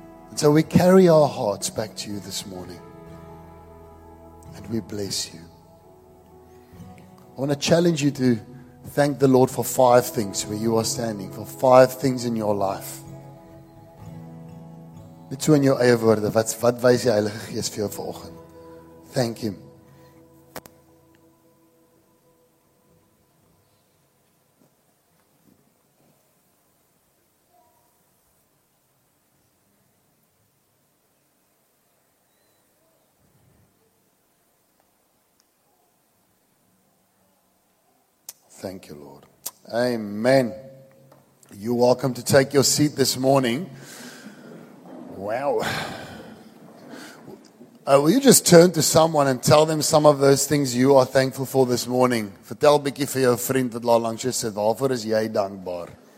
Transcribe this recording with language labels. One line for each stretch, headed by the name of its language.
English: And so we carry our hearts back to you this morning. And we bless you. I want to challenge you to thank the Lord for five things where you are standing, for five things in your life.
Afrikaans: Dit is in jou eie woorde, wat wys die Heilige Gees vir jou vanoggend?
English: Thank him. Thank you, Lord. Amen. You're welcome to take your seat this morning. Wow. Will you just turn to someone and tell them some of those things you are thankful for this morning?
Afrikaans: Vertel bietjie vir jou vriend wat daar langs jou sit, waarvoor is jy dankbaar?